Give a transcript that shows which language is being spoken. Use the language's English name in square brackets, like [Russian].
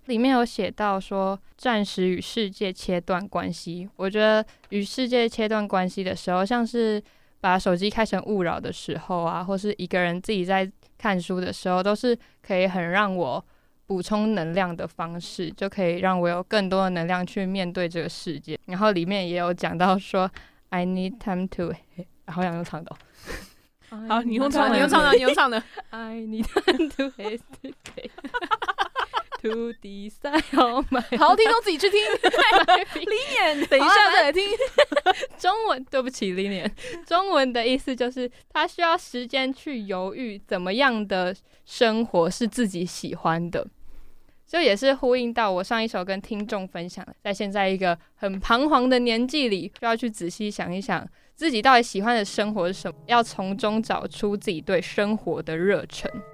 [Chinese] 里面有写到说暂时与世界切断关系，我觉得与世界切断关系的时候，像是把手机开成勿扰的时候啊，或是一个人自己在看书的时候，都是可以很让我补充能量的方式，就可以让我有更多的能量去面对这个世界。然后里面也有讲到说 [English] I need time to... [Chinese] 好想用唱的、哦、好，你用唱的，你用唱的，你用唱的。 [English] I need time to hesitate to decide on my life. [Chinese] 好，听众自己去听。 Linian 等一下再来听。中文，对不起 Linian， 中文的意思就是他需要时间去犹豫怎么样的生活是自己喜欢的。就也是呼应到我上一首跟听众分享的，在现在一个很彷徨的年纪里，需要去仔细想一想自己到底喜欢的生活是什么，要从中找出自己对生活的热忱。